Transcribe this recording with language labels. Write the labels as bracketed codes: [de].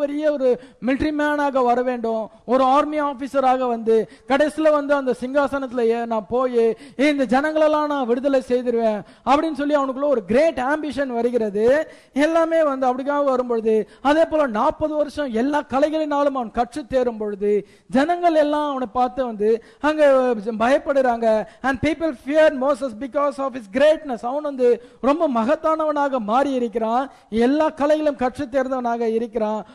[ta] பெரிய ஒரு military man ஆக வர வேண்டும், ஒரு army officer ஆக வந்து கடைசில வந்து அந்த சிங்காசனத்துல நான் போய் இந்த ஜனங்களை எல்லாம் நான் விடுதலை செய்திருவேன் அப்படின்னு சொல்லி அவனுக்குள்ள ஒரு கிரேட் ஆம்பிஷன் வருகிறது. எல்லாமே வந்து அப்படிக்காக வரும்பொழுது அதே போல 40 வருஷம் எல்லா கலைகளினாலும் அவன் கற்று தேரும் பொழுது ஜனங்கள் எல்லாம் அவனை பார்த்து வந்து அங்க பயப்படுறாங்க. [en] And people fear Moses because of his greatness. [ta] அவன் வந்து ரொம்ப மகத்தானவனாக மாறி இருக்கிறான். எல்லா கலைகளும் கற்று தேர்ந்தவனாக இருக்கிறான்.